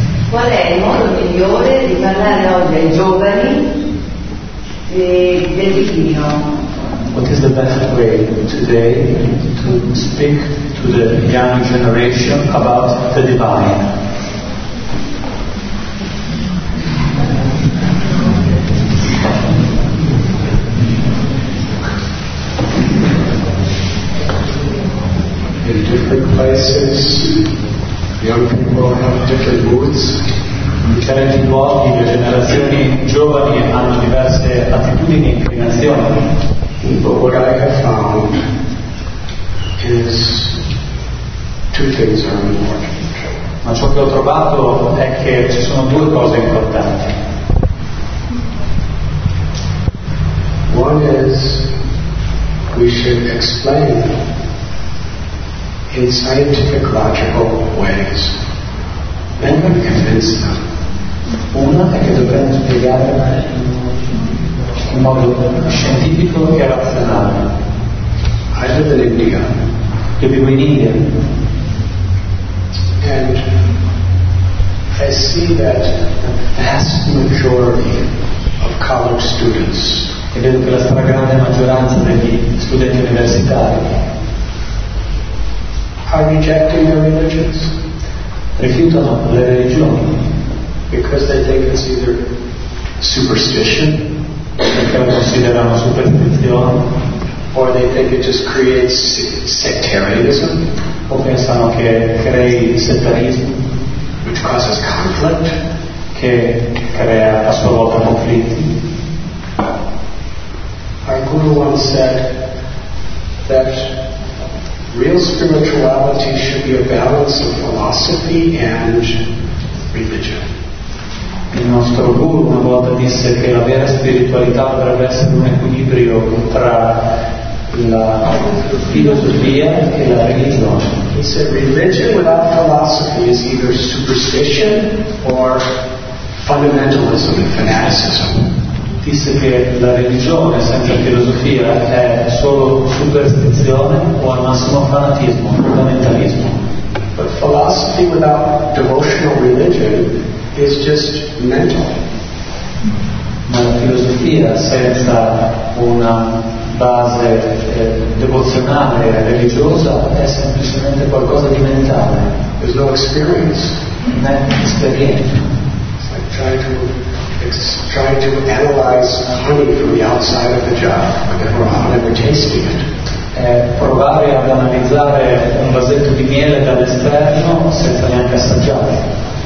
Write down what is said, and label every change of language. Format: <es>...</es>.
<it>Qual è il modo migliore di parlare oggi ai giovani del divino?</it> <en>What is the best way today to speak to the young generation about the divine? In different places, young people have different moods.</en> <it>In differenti luoghi, le generazioni giovani hanno diverse attitudini e inclinazioni.</it> <en>But what I have found is two things are important.</en> <it>Ma ciò che ho trovato è che ci sono due cose importanti.</it> <en>One is we should explain in scientific logical ways. Then we convince them.</en> <it>Una è che dovremmo spiegare in modo scientifico e razionale.</it> <en>I live in India.</en> <it>Io vivo in India.</it> <en>And I see that the vast majority of college students.</en> <it>E vedo che la stragrande maggioranza degli studenti universitari</it> <en>are rejecting their religions.</en> <it>Rifiutano le religioni.</it> <en>Because they think it's either superstition.</en> <it>Perché lo considerano superstizione.</it> <en>Or they think it just creates sectarianism.</en> <it>O pensano che crei settarismo.</it> <en>Which causes conflict.</en> <it>Che crea a sua volta conflitti.</it> <en>Our guru once said that real spirituality should be a balance of philosophy and religion.</en> <it>Il nostro guru una volta disse che la vera spiritualità dovrebbe essere un equilibrio tra la filosofia e la religione.</it> <en>He said religion without philosophy is either superstition or fundamentalism and fanaticism.</en> <it>Disse che la religione senza filosofia è solo superstizione o al massimo fanatismo, fondamentalismo.</it> <en>But philosophy without devotional religion is just mental.</en> <it>Ma la filosofia senza una base devozionale religiosa è semplicemente qualcosa di mentale.</it> <en>There's no experience.</en> <it>Non è esperienza.</it> <en>It's like trying to analyze honey from the outside of the jar without ever tasting it.</en> <it>È provare ad analizzare un vasetto di miele dall'esterno senza neanche assaggiare.</it>